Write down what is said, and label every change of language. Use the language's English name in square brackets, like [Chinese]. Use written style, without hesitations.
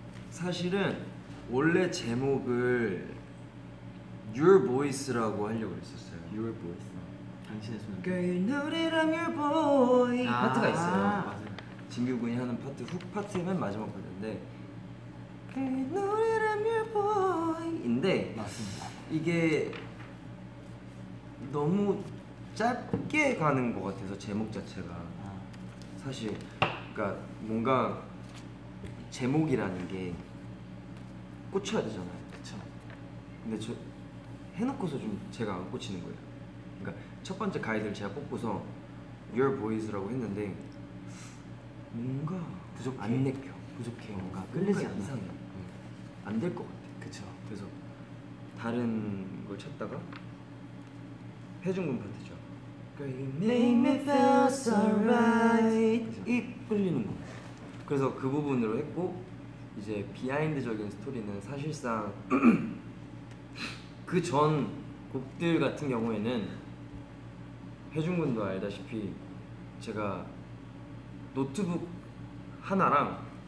[Korean] 사실은 원래 제목을 Your Voice라고 하려고 했었어요. Your Voice. 당신의 소년. Girl, 노래랑 Your Voice. 아~ 파트가 있어요. 맞아요. 진규 군이 하는 파트, 훅 파트면 마지막 파트인데 노래를 your boy 인데 맞습니다. 이게 너무 짧게 가는 것 같아서 제목 자체가 사실 그러니까 뭔가 제목이라는 게 꽂혀야 되잖아요. 그렇죠. 근데 저 해놓고서 좀 제가 안 꽂히는 거예요. 그러니까 첫 번째 가이드를 제가 뽑고서 your boys라고 했는데 뭔가 부족해. 안 내켜. 부족해. 뭔가 끌리지 않아. 이상해. 안 될 것 같아. 그쵸. 그래서 다른 걸 찾다가 해준군 파트죠. [English] Girl, you make me feel so right. [Korean] 이 끌리는 거. 그래서 그 부분으로 했고 이제 비하인드적인 스토리는 사실상 그 전 곡들 같은 경우에는 해준군도 알다시피 제가 노트북 하나랑